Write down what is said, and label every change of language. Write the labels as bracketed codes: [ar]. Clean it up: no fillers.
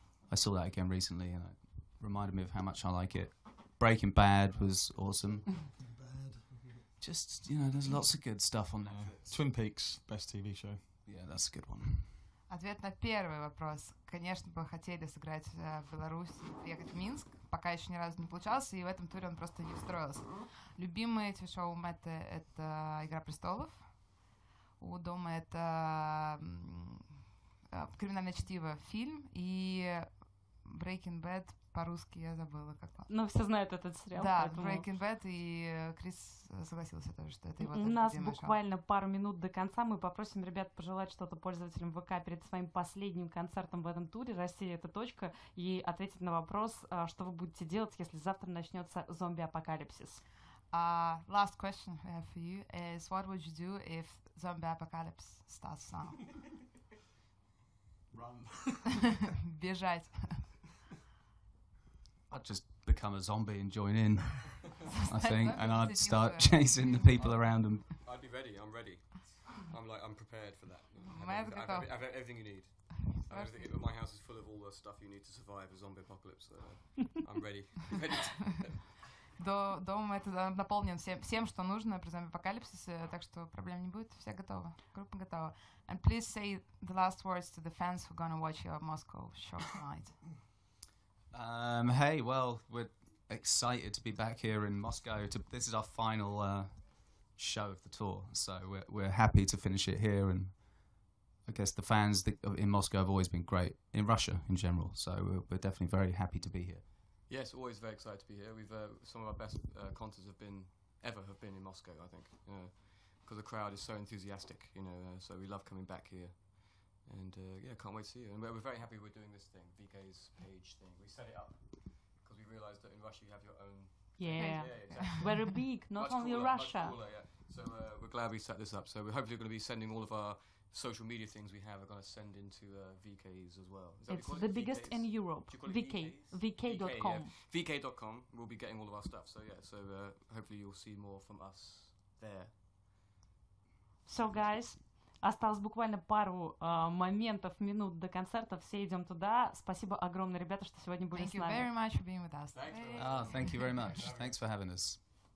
[en] I saw that again recently, and it reminded me of how much I like it. Breaking Bad was awesome. Bad. Just there's lots of good stuff on there. Twin Peaks, best TV show. Yeah, that's a good one. [ru] Ответ на первый вопрос. Конечно, бы хотели сыграть в Беларуси, приехать в Минск. Пока еще ни разу не получался, и в этом туре он просто не встроился. Любимые эти шоу Мэтта — это «Игра престолов». У Дома — это «Криминальное чтиво» фильм. И «Breaking Bad» по-русски я забыла. Как. Но все знают этот сериал. Да, поэтому «Breaking Bad», и Крис согласился тоже, что это его. У нас буквально пару минут до конца. Мы попросим ребят пожелать что-то пользователям ВК перед своим последним концертом в этом туре «Россия — это точка» и ответить на вопрос, что вы будете делать, если завтра начнется зомби-апокалипсис. [en] Last question we have for you is what would you do if zombie-apocalypse starts now? Run. [ru] Бежать. [en] I'd just become a zombie and join in, I think, and I'd start chasing the people around them. I'd be ready, I'm ready. I'm prepared for that. I have everything you need. My house is full of all the stuff you need to survive a zombie apocalypse, so I'm ready. [ru] Дом это наполнен всем, что нужно при зомби-апокалипсисе, так что проблем не будет, все готовы, группа готова. [en] And please say the last words to the fans who are going to watch your Moscow show tonight. Hey, well, we're excited to be back here in Moscow. This is our final show of the tour, so we're happy to finish it here. And I guess the fans in Moscow have always been great, in Russia in general, so we're definitely very happy to be here. Yes, always very excited to be here. We've some of our best concerts have been in Moscow, I think. You know, because the crowd is so enthusiastic, you know, so we love coming back here. And yeah, can't wait to see you. And we're very happy we're doing this thing, VK's page thing. We set it up because we realized that in Russia you have your own. Very big, not only cooler, Russia. Cooler, yeah. So we're glad we set this up. So we're hopefully going to be sending all of our social media things we have are going to send into VKs as well. It's the biggest VKs in Europe. VK.com. VK, yeah. VK.com. We'll be getting all of our stuff. So yeah, so hopefully you'll see more from us there. So guys, [ru] осталось буквально пару моментов, минут до концерта. Все идем туда. Спасибо огромное, ребята, что сегодня были с нами. [en] Thank you very much for being with us. Thank you very much. Thanks for having us.